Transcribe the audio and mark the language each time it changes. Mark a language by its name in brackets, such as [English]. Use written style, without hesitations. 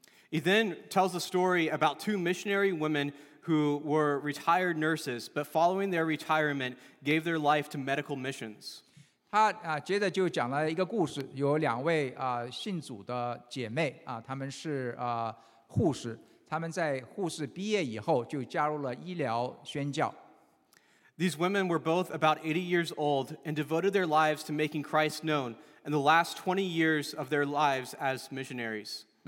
[English] He then tells the story about two missionary women who were retired nurses, but following their retirement, gave their life to medical missions. [Chinese] 他接着就讲了一个故事，有两位信主的姐妹，她们是护士，她们在护士毕业以后就加入了医疗宣教。 [English] These women were both about 80 years old and devoted their lives to making Christ known in the last 20 years of their lives as missionaries.